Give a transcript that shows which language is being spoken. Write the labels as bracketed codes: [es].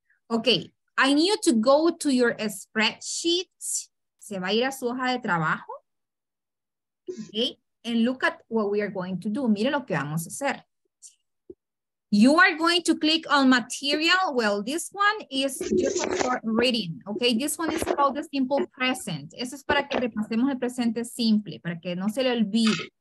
[en] Okay, I need you to go to your spreadsheet. [es] Se va a ir a su hoja de trabajo. [en] Okay, and look at what we are going to do. [es] Miren lo que vamos a hacer. [en] You are going to click on material. Well, this one is just for reading. Okay, this one is called the simple present. [es] Eso es para que repasemos el presente simple, para que no se le olvide.